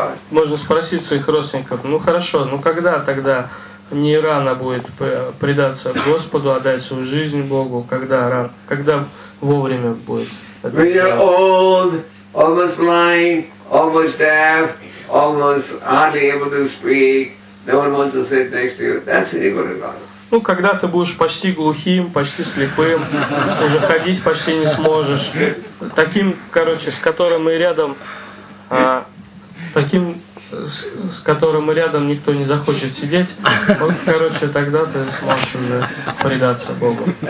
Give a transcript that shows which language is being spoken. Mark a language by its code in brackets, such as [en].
[ru] Можно спросить своих родственников, ну хорошо, ну когда тогда не рано будет предаться Господу, отдать свою жизнь Богу, когда вовремя будет. [en] When you're old, almost blind, almost deaf, almost hardly able to speak, no one wants to sit next to you. That's when you go to God. [ru] Ну, когда ты будешь почти глухим, почти слепым, уже ходить почти не сможешь. Таким, короче, с которым мы рядом, таким, с которым рядом никто не захочет сидеть, вот, короче, тогда ты сможешь уже предаться Богу.